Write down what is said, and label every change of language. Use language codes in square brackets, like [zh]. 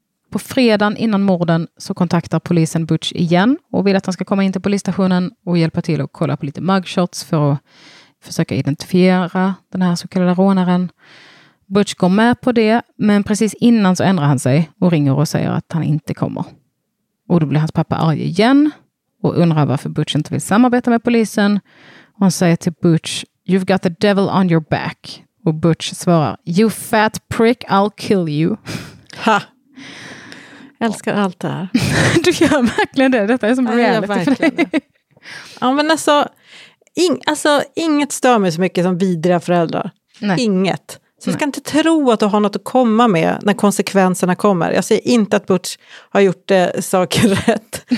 [sv] På fredagen innan morden så kontaktar polisen Butch igen och vill att han ska komma in till polisstationen och hjälpa till att kolla på lite mugshots för att försöka identifiera den här så kallade rånaren. Butch går med på det, men precis innan så ändrar han sig och ringer och säger att han inte kommer. Och då blir hans pappa arg igen och undrar varför Butch inte vill samarbeta med polisen. Och han säger till Butch, [en] you've got the devil on your back. [sv] Och Butch svarar, [en] you fat prick, I'll kill you. [sv] Ha! Jag älskar allt det här. Du gör verkligen det, detta är som reality för dig. Ja, men alltså, inget stör mig så mycket som vidriga föräldrar. Nej. Inget. Så du ska inte tro att du har något att komma med när konsekvenserna kommer. Jag säger inte att Butch har gjort saker rätt.